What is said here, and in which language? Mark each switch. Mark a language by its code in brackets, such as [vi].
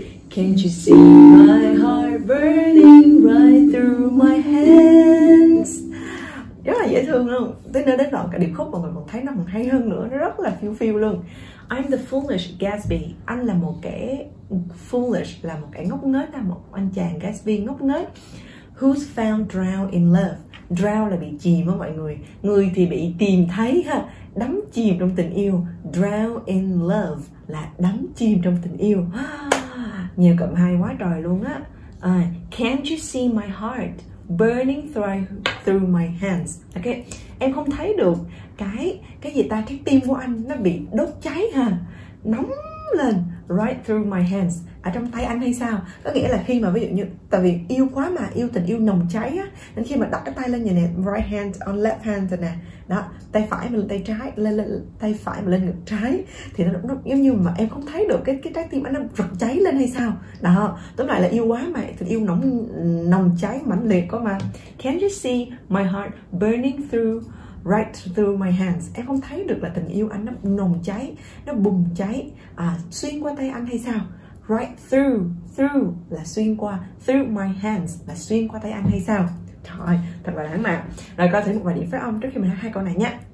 [en] Can't you see my heart burning right through my hands? [vi] Rất là dễ thương luôn. Tới nơi đến đoạn cả điệp khúc mọi người còn thấy nó còn hay hơn nữa. Nó rất là phiêu phiêu luôn. [en] I'm the foolish Gatsby. [vi] Anh là một kẻ foolish, là một kẻ ngốc nghếch, là một anh chàng Gatsby ngốc nghếch. [en] Who's found drowned in love? [vi] Drown là bị chìm á mọi người. Người thì bị tìm thấy ha, đắm chìm trong tình yêu. [en] Drowned in love [vi] là đắm chìm trong tình yêu. Nhiều cộng hai quá trời luôn á. [en] Can't you see my heart burning through my hands? [vi] Ok, em không thấy được cái gì ta, cái tim của anh nó bị đốt cháy ha, nóng lên. [en] Right through my hands, [vi] ở trong tay anh hay sao? Có nghĩa là khi mà ví dụ như, tại vì yêu quá mà, yêu tình yêu nồng cháy á, nên khi mà đặt cái tay lên nhìn nè, [en] right hand on left hand [vi] nè, đó, tay phải mà lên tay trái, lên tay phải mà lên ngực trái, thì nó giống như mà em không thấy được cái trái tim anh nó rực cháy lên hay sao? Đó, tóm lại là yêu quá mà, tình yêu nồng cháy mãnh liệt quá mà. [en] Can you see my heart burning through right through my hands? [vi] Em không thấy được là tình yêu anh nó nồng cháy, nó bùng cháy xuyên qua tay anh hay sao? [en] Right through, [vi] through là xuyên qua, [en] through my hands [vi] là xuyên qua tay anh hay sao? Trời ơi, thật là lãng mạn. Rồi coi thử một vài điểm phát âm trước khi mình hát hai câu này nhé.